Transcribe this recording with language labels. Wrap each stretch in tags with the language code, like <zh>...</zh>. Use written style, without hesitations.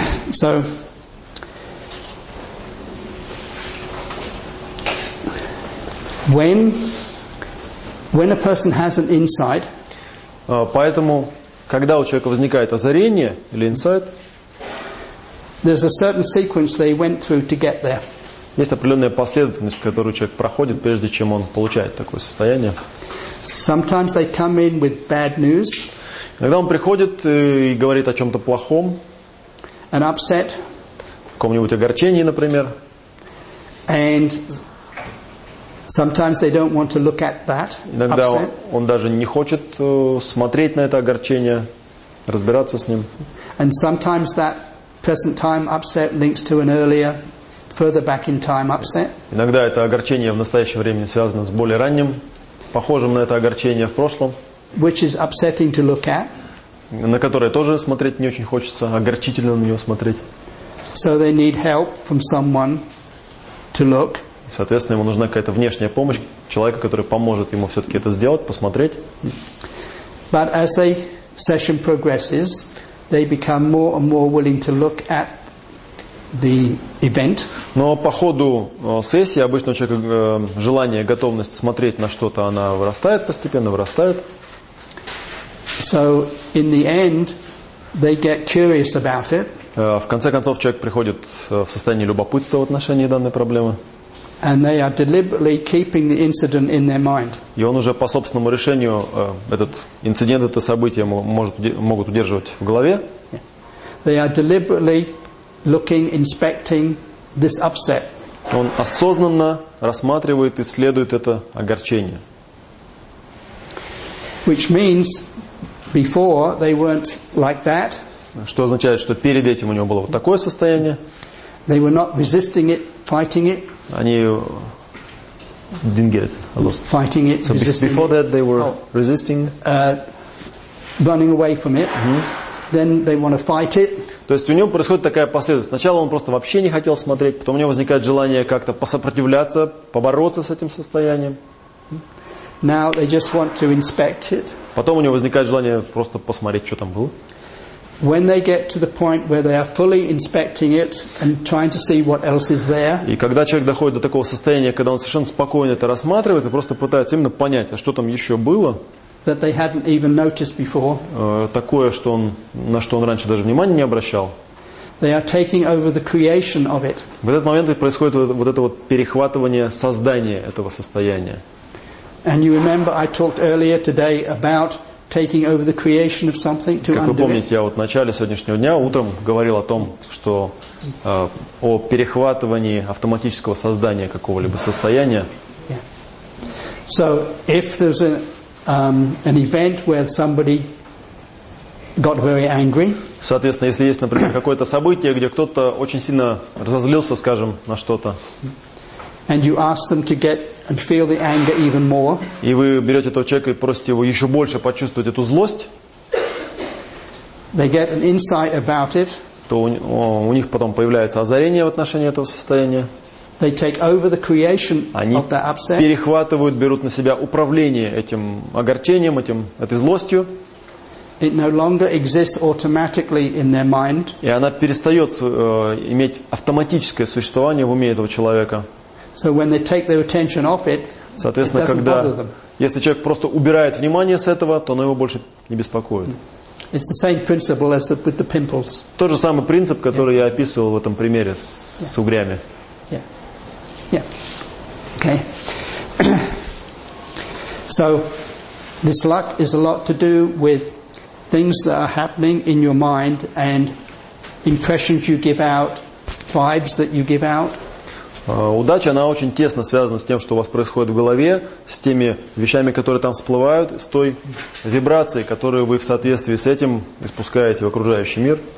<en>So, when a person has an insight,</en> <ru>поэтому, когда у человека возникает озарение или insight,</ru> <en>there's a certain sequence they went through to get there.</en> <ru>Есть определенная последовательность, которую человек проходит, прежде чем он получает такое состояние.</ru> <en>Sometimes they come in with bad news.</en> <ru>Иногда он приходит и говорит о чем-то плохом.</ru> <en>An upset.</en> <ru>В каком-нибудь огорчении, например.</ru> <en>And sometimes they don't want to look at that.</en> <ru>Иногда</ru> <en>upset.</en> <ru>Он даже не хочет смотреть на это огорчение, разбираться с ним.</ru> <en>And sometimes that present time upset links to an earlier. Further back in time, upset.</en> <ru>Иногда это огорчение в настоящее время связано с более ранним, похожим на это огорчение в прошлом.</ru> <en>Which is upsetting to look at.</en> <ru>На которое тоже смотреть не очень хочется, огорчительно на него смотреть.</ru> <en>So they need help from someone to look.</en> <ru>Соответственно, ему нужна какая-то внешняя помощь человека, который поможет ему все-таки это сделать, посмотреть.</ru> <en>But as the session progresses, they become more and more willing to look at. The event.</en> <ru>Но по ходу сессии обычно у человека желание, готовность смотреть на что-то, она вырастает постепенно, вырастает.</ru> <en>So in the end, they get curious about it.</en> <ru>В конце концов человек приходит в состояние любопытства в отношении данной проблемы.</ru> <en>And they are deliberately keeping the incident in their mind.</en> <ru>И он уже по собственному решению этот инцидент, это событие могут удерживать в голове.</ru> <en>They are deliberately looking, inspecting this upset.</en> <ru>Он осознанно рассматривает, исследует это огорчение.</ru> <en>Which means before they weren't like that.</en> <ru>Что означает, что перед этим у него было вот такое состояние.</ru> <en>They were not resisting it, fighting it.</en> <ru>Они</ru> <en>didn't get it. I lost. Fighting it, so resisting. Before that they were resisting. Running away from it. Mm-hmm. Then they want to fight it.</en> <ru>То есть у него происходит такая последовательность. Сначала он просто вообще не хотел смотреть, потом у него возникает желание как-то посопротивляться, побороться с этим состоянием.</ru> <en>Now they just want to inspect it.</en> <ru>Потом у него возникает желание просто посмотреть, что там было.</ru> <en>When they get to the point where they are fully inspecting it and trying to see what else is there.</en> <ru>И когда человек доходит до такого состояния, когда он совершенно спокойно это рассматривает и просто пытается именно понять, а что там еще было.</ru> <en>That they hadn't even noticed before.</en> <ru>Такое, что он, на что он раньше даже внимания не обращал.</ru> <en>They are taking over the creation of it.</en> <ru>В этот момент и происходит вот это вот перехватывание создания этого состояния.</ru> <en>And you remember I talked earlier today about taking over the creation of something to undo it.</en> <ru>Как вы помните, я вот в начале сегодняшнего дня утром говорил о том, что о перехватывании автоматического создания какого-либо состояния.</ru> <en>Yeah. So if there's an event where somebody got very angry.</en> <ru>Соответственно, если есть, например, какое-то событие, где кто-то очень сильно разозлился, скажем, на что-то.</ru> <en>And you ask them to get and feel the anger even more.</en> <ru>И вы берете этого человека и просите его еще больше почувствовать эту злость.</ru> <en>They get an insight about it.</en> <ru>То у них потом появляется озарение в отношении этого состояния.</ru> <en>They take over the creation of that upset.</en> <ru>Они перехватывают, берут на себя управление этим огорчением, этой злостью.</ru> <en>It no longer exists automatically in their mind.</en> <ru>И она перестает иметь автоматическое существование в уме этого человека.</ru> <en>So when they take their attention off it,</en> <ru>соответственно,</ru> <en>it doesn't bother them.</en> <ru>Если человек просто убирает внимание с этого, то оно его больше не беспокоит.</ru> <en>It's the same principle as with the pimples.</en> <ru>Тот же самый принцип, который я описывал в этом примере с угрями.</ru> <en>Yeah. Yeah. Okay. So this luck is a lot to do with things that are happening in your mind and impressions you give out, vibes that you give out.</en> <ru>Удача, она очень тесно связана с тем, что у вас происходит в голове, с теми вещами, которые там всплывают, с той вибрацией, которую вы в соответствии с этим испускаете в окружающий мир.</ru>